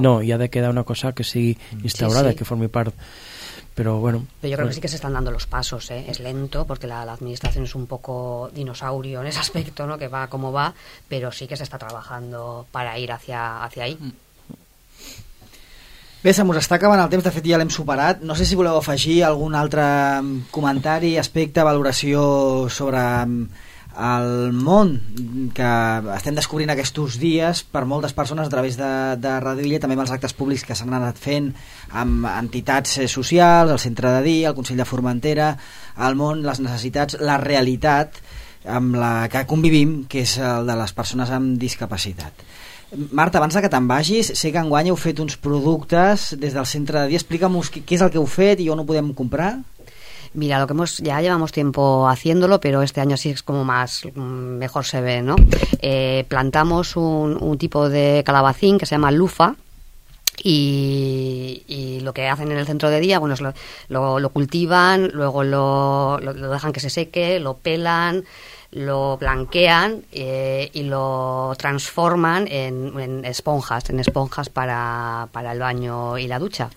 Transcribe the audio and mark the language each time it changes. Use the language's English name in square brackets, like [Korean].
[Spanish] no, ya de queda una cosa que sigue instaurada, sí, sí, que forme parte. Pero bueno, pero yo creo que sí que se están dando los pasos, ¿eh? Es lento porque la administración es un poco dinosaurio en ese aspecto, ¿no? Que va como va, pero sí que se está trabajando para ir hacia ahí. [Catalan] Bé, se'ns està acabant el temps, de fet ja l'hem superat. No sé si voleu afegir algun altre comentari, aspecte, valoració sobre el món que estem descobrint aquests dies per moltes persones a través de Radio Illa, també amb els actes públics que s'han anat fent amb entitats socials, el Centre de Dia, el Consell de Formentera, el món, les necessitats, la realitat amb la que convivim, que és el de les persones amb discapacitat. Marta, abans que te'n vagis, sé que enguany heu fet uns productes des del Centre de Dia. Explica'm-nos què és el que heu fet i on ho podem comprar. [Spanish] Mira, lo que hemos, ya llevamos tiempo haciéndolo, pero este año sí es como más, mejor se ve, ¿no? Plantamos un tipo de calabacín que se llama lufa y lo que hacen en el Centro de Día, bueno, es lo cultivan, luego lo dejan que se seque, lo pelan, lo blanquean y lo transforman en esponjas para el baño y la ducha.